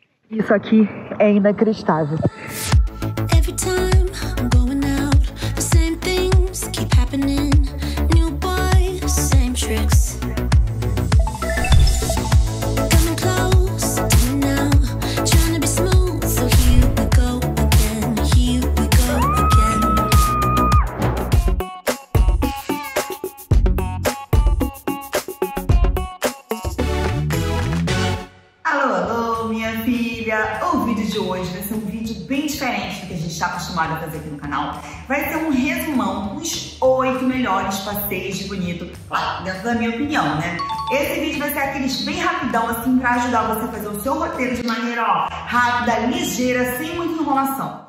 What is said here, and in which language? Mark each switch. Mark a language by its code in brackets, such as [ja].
[pt] Isso aqui é inacreditável. [en] Every time I'm going out, the same things keep happening. New boy, same tricks. Coming close to me now, trying to be smooth. So here we go again, here we go again. [pt] Alô, alô, minha filha! O vídeo de hoje vai ser um vídeo bem diferente do que a gente está acostumado a fazer aqui no canal. Vai ser um resumão dos 8 melhores passeios de Bonito, claro, dentro da minha opinião, né? Esse vídeo vai ser aqueles bem rapidão, assim, pra ajudar você a fazer o seu roteiro de maneira, ó, rápida, ligeira, sem muita enrolação.